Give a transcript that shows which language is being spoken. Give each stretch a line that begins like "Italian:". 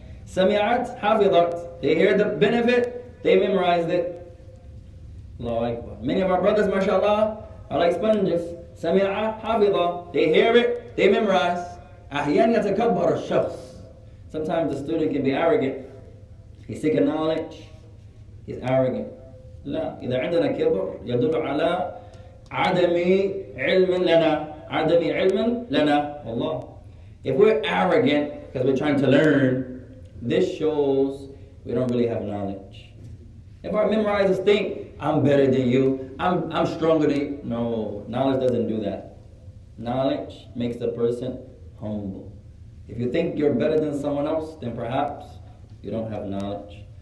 Arabic: Sami'at, hafidat.
English: They hear the benefit, they memorized it. Allahu Akbar. Many of our brothers, mashallah, are like sponges.
Arabic: Sami'at, hafidat.
English: They hear it, they memorize.
Arabic: Ahyan yatakabbar al-shakhs.
English: Sometimes the student can be arrogant. He's seeking knowledge, he's arrogant.
Arabic: لا إذا عندنا كبر يدل على عدم علم لنا عدم علم لنا والله.
English: If we're arrogant because we're trying to learn, this shows we don't really have knowledge. If our memorizers think I'm better than you, I'm stronger than you, no, knowledge doesn't do that. Knowledge makes the person humble. If you think you're better than someone else, then perhaps you don't have knowledge.